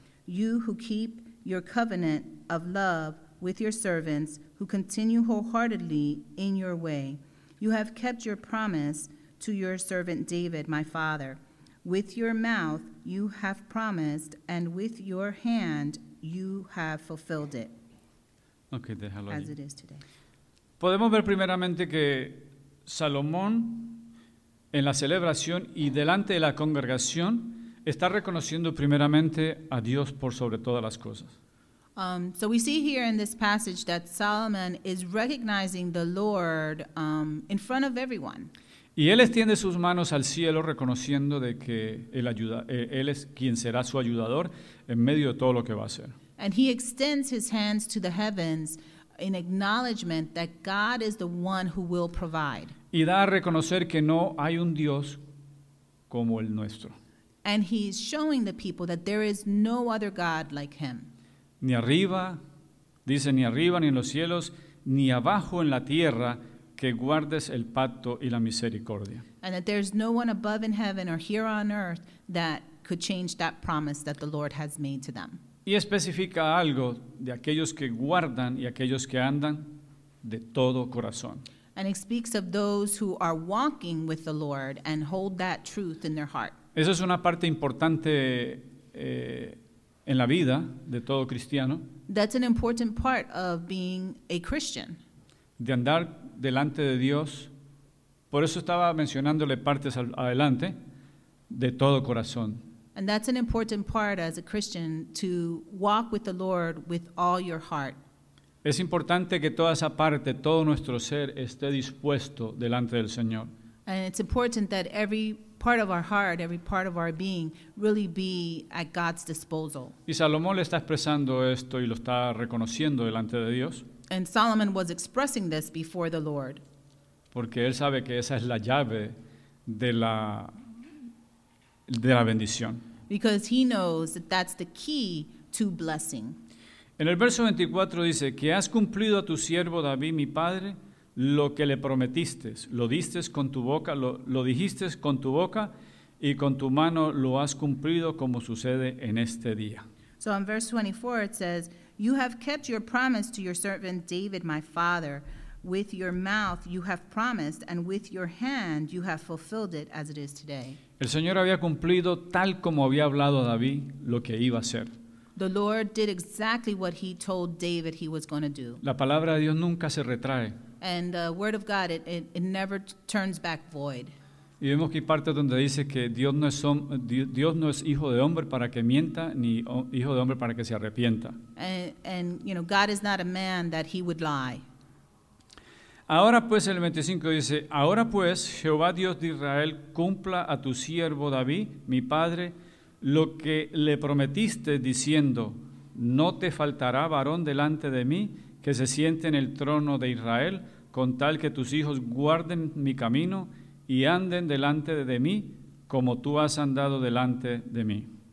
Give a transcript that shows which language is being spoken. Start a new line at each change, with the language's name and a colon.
English: You who keep your covenant of love with your servants, who continue wholeheartedly in your way. You have kept your promise to your servant David, my father. With your mouth you have promised, and with your hand you have fulfilled it.
Spanish: Okay, déjalo ahí.
English: As it is today.
Spanish: Podemos ver primeramente que Salomón, en la celebración y delante de la congregación, está reconociendo primeramente a Dios por sobre todas las cosas.
English: So we see here in this passage that Solomon is recognizing the Lord in front of everyone.
Spanish: Y él extiende sus manos al cielo reconociendo de que él es quien será su ayudador en medio de todo lo que va a hacer.
English: And he extends his hands to the heavens in acknowledgement that God is the one who will provide.
Spanish: Y da a reconocer que no hay un Dios como el nuestro.
English: And he's showing the people that there is no other God like him.
Spanish: Ni arriba, dice, ni arriba ni en los cielos, ni abajo en la tierra, que guardes el pacto y la misericordia.
English: And that there's no one above in heaven or here on earth that could change that promise that the Lord has made to them.
Spanish: Y especifica algo de aquellos que guardan y aquellos que andan de todo corazón.
English: And it speaks of those who are walking with the Lord and hold that truth in their heart.
Spanish: Esa es una parte importante en la vida de todo cristiano.
English: That's an important part of being a Christian.
Spanish: De andar delante de Dios. Por eso estaba mencionándole partes adelante, de todo corazón.
English: And that's an important part as a Christian, to walk with the Lord with all your heart.
Spanish: Es importante que toda esa parte, todo nuestro ser, esté dispuesto delante del Señor.
English: And it's important that every part of our heart, every part of our being, really be at God's disposal.
Spanish: Y Salomón le está expresando esto y lo está reconociendo delante de Dios.
English: And Solomon was expressing this before the Lord.
Spanish: Porque él sabe que esa es la llave de la bendición.
English: Because he knows that that's the key to blessing.
Spanish: En el verso 24 dice, que has cumplido a tu siervo David, mi padre, lo que le prometiste, lo diste con tu boca, lo dijiste con tu boca y con tu mano lo has cumplido como sucede en este día.
English: So in verse 24 it says, you have kept your promise to your servant David, my father. With your mouth you have promised, and with your hand you have fulfilled it as it is today.
Spanish: El Señor había cumplido tal como había hablado a David lo que iba a hacer.
English: The Lord did exactly what he told David he was going to do.
Spanish: La palabra de Dios nunca se retrae.
English: And the word of God, it never turns back void.
Spanish: Y vemos que hay parte donde dice que Dios no es hijo de hombre para que mienta, ni hijo de hombre para que se arrepienta.
English: And you know, God is not a man that he would lie.
Spanish: Ahora pues, el 25 dice, ahora pues, Jehová Dios de Israel, cumpla a tu siervo David, mi padre, lo que le prometiste diciendo, no te faltará varón delante de mí que se siente en el trono de Israel, con tal que tus hijos guarden mi camino y anden delante de mí como tú has andado delante de mí.